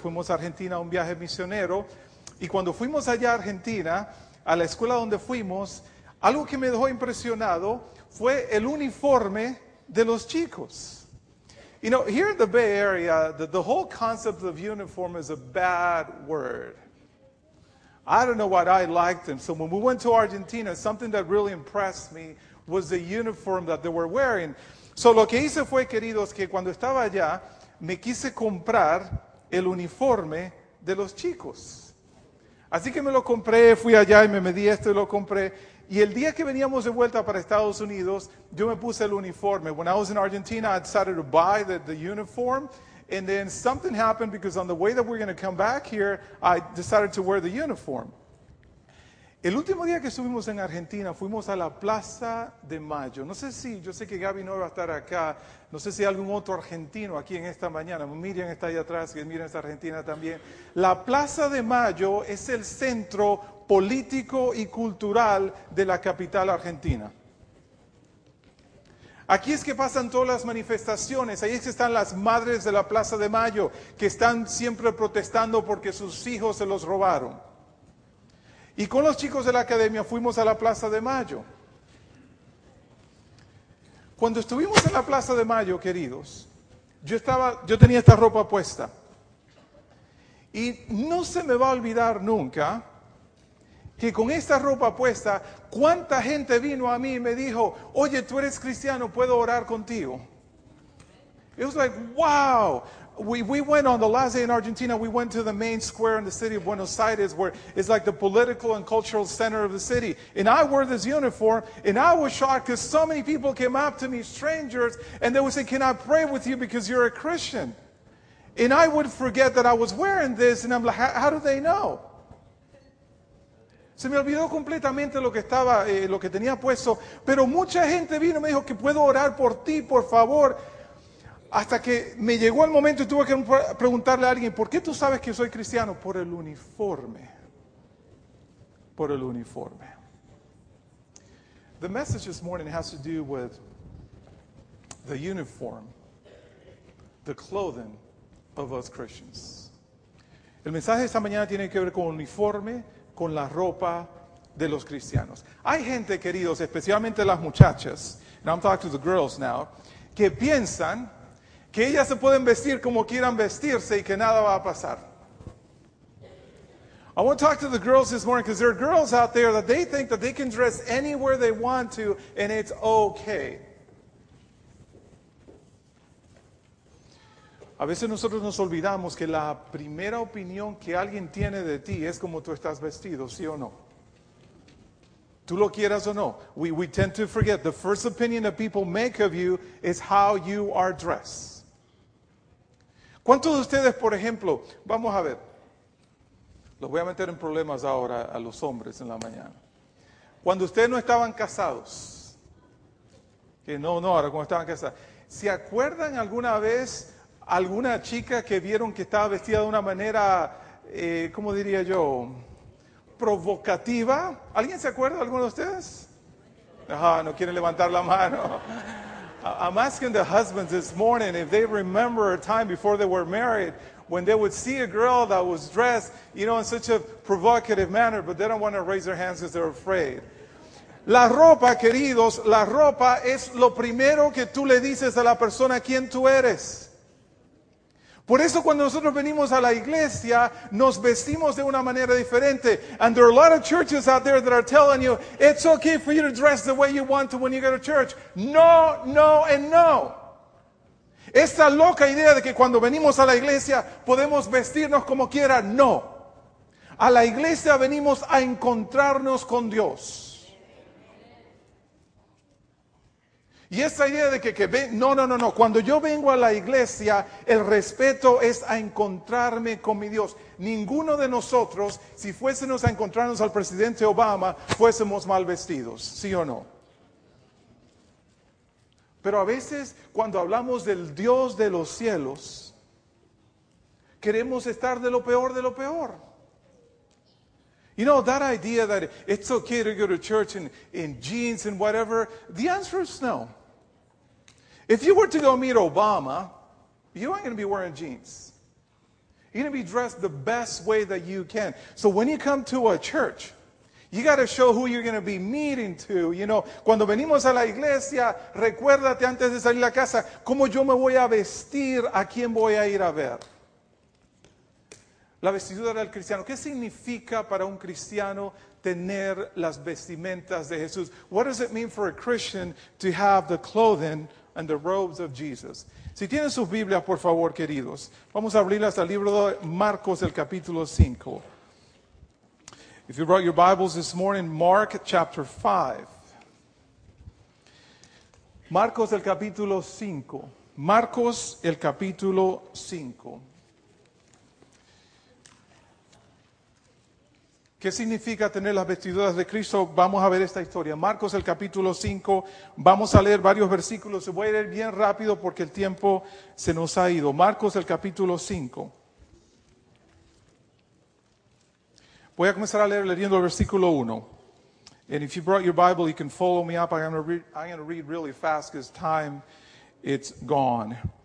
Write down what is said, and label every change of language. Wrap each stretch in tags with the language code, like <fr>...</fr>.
<es>Fuimos a Argentina a un viaje misionero, y cuando fuimos allá a Argentina, a la escuela donde fuimos, algo que me dejó impresionado fue el uniforme de los chicos.</es> <en>You know, here in the Bay Area, the whole concept of uniform is a bad word. I don't know what I liked them. So when we went to Argentina, something that really impressed me was the uniform that they were wearing. So</en> <es>lo que hice fue, queridos, que cuando estaba allá, me quise comprar el uniforme de los chicos. Así que me lo compré, fui allá y me medí esto y lo compré. Y el día que veníamos de vuelta para Estados Unidos, yo me puse el uniforme. When I was in Argentina, I decided to buy the uniform. And then something happened because on the way that we're going to come back here, I decided to wear the uniform. El último día que estuvimos en Argentina, fuimos a la Plaza de Mayo. No sé si, yo sé que Gaby no va a estar acá. No sé si hay algún otro argentino aquí en esta mañana. Miriam está ahí atrás, que Miriam es argentina también. La Plaza de Mayo es el centro político y cultural de la capital argentina. Aquí es que pasan todas las manifestaciones, ahí es que están las madres de la Plaza de Mayo que están siempre protestando porque sus hijos se los robaron. Y con los chicos de la academia fuimos a la Plaza de Mayo. Cuando estuvimos en la Plaza de Mayo, queridos, yo tenía esta ropa puesta. Y no se me va a olvidar nunca que con esta ropa puesta, cuánta gente vino a mí y me dijo, oye, tú eres cristiano, ¿puedo orar contigo?</es> <en>It was like, wow. We went on the last day in Argentina, we went to the main square in the city of Buenos Aires, where it's like the political and cultural center of the city. And I wore this uniform, and I was shocked because so many people came up to me, strangers, and they would say, can I pray with you because you're a Christian? And I would forget that I was wearing this, and I'm like, how do they know?</en> <es>Se me olvidó completamente lo que tenía puesto. Pero mucha gente vino y me dijo que puedo orar por ti, por favor. Hasta que me llegó el momento y tuve que preguntarle a alguien, ¿por qué tú sabes que soy cristiano? Por el uniforme. Por el uniforme.</es> <en>The message this morning has to do with the uniform, the clothing of us Christians.</en> <es>El mensaje de esta mañana tiene que ver con uniforme, con la ropa de los cristianos. Hay gente, queridos, especialmente las muchachas,</es> <en>and I'm talking to the girls now,</en> <es>que piensan que ellas se pueden vestir como quieran vestirse y que nada va a pasar.</es> <en>I want to talk to the girls this morning because there are girls out there that they think that they can dress anywhere they want to and it's okay.</en> <es>A veces nosotros nos olvidamos que la primera opinión que alguien tiene de ti es como tú estás vestido, ¿sí o no? Tú lo quieras o no.</es> <en>We tend to forget the first opinion that people make of you is how you are dressed.</en> <es>¿Cuántos de ustedes, por ejemplo, vamos a ver, los voy a meter en problemas ahora a los hombres en la mañana. Cuando ustedes no estaban casados, que no, ahora cuando estaban casados, ¿se acuerdan alguna vez alguna chica que vieron que estaba vestida de una manera, ¿cómo diría yo?, provocativa? ¿Alguien se acuerda, alguno de ustedes? Ajá, no quieren levantar la mano.</es> <en>I'm asking the husbands this morning if they remember a time before they were married when they would see a girl that was dressed, you know, in such a provocative manner, but they don't want to raise their hands because they're afraid.</en> <es>La ropa, queridos, la ropa es lo primero que tú le dices a la persona quién tú eres. Por eso cuando nosotros venimos a la iglesia, nos vestimos de una manera diferente.</es> <en>And there are a lot of churches out there that are telling you, it's okay for you to dress the way you want to when you go to church. No, no, and no.</en> <es>Esta loca idea de que cuando venimos a la iglesia, podemos vestirnos como quiera, no. A la iglesia venimos a encontrarnos con Dios. Y esa idea de que ven, no. Cuando yo vengo a la iglesia, el respeto es a encontrarme con mi Dios. Ninguno de nosotros, si fuésemos a encontrarnos al presidente Obama, fuésemos mal vestidos, ¿sí o no? Pero a veces, cuando hablamos del Dios de los cielos, queremos estar de lo peor de lo peor.</es> <en>You know, that idea that it's okay to go to church in jeans and whatever, the answer is no. If you were to go meet Obama, you aren't going to be wearing jeans. You're going to be dressed the best way that you can. So when you come to a church, you got to show who you're going to be meeting to. You know,</en> <es>cuando venimos a la iglesia, recuérdate antes de salir a la casa, ¿cómo yo me voy a vestir? ¿A quién voy a ir a ver? La vestidura del cristiano. ¿Qué significa para un cristiano tener las vestimentas de Jesús?</es> <en>What does it mean for a Christian to have the clothing and the robes of Jesus?</en> <es>Si tienen sus Biblias, por favor, queridos, vamos a abrirlas al libro de Marcos, el capítulo 5.</es> <en>If you brought your Bibles this morning, Mark chapter 5.</en> <es>Marcos, el capítulo 5. Marcos, el capítulo 5. ¿Qué significa tener las vestiduras de Cristo? Vamos a ver esta historia. Marcos, el capítulo 5. Vamos a leer varios versículos. Voy a leer bien rápido porque el tiempo se nos ha ido. Marcos, el capítulo 5. Voy a comenzar a leer leyendo el versículo 1.</es> <en>And if you brought your Bible, you can follow me up. I'm going to read really fast because time, it's gone.</en>